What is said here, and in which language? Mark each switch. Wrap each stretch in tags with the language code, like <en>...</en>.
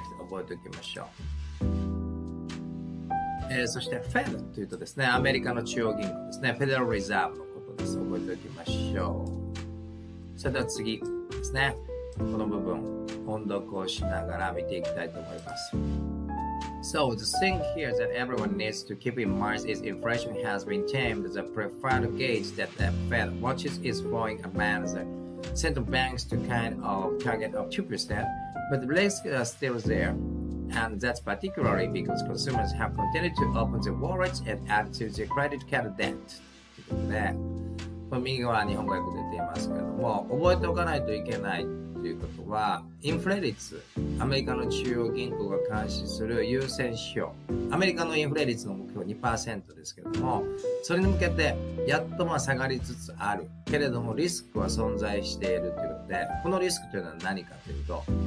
<ja>覚えておきましょう。そして Fed というとですね、アメリカの中央銀行ですね、 Federal Reserve のことです。覚えておきましょう。それでは次ですね、この部分音読をしながら見ていきたいと思います。</ja> <en>So the thing here that everyone needs to keep in mind is inflation has been tamed. The preferred gauge that the Fed watches is going among the central banks to kind of target of 2%. But the risk is still there, and that's particularly because consumers have continued to open their wallets and add to their credit card debt.</en> <ja>ね、右側日本語訳出ていますけども、覚えておかないといけないということは、インフレ率、アメリカの中央銀行が監視する優先指標、アメリカのインフレ率の目標 2% ですけども、それに向けてやっとまあ下がりつつあるけれども、リスクは存在しているということで、このリスクというのは何かというと、</ja>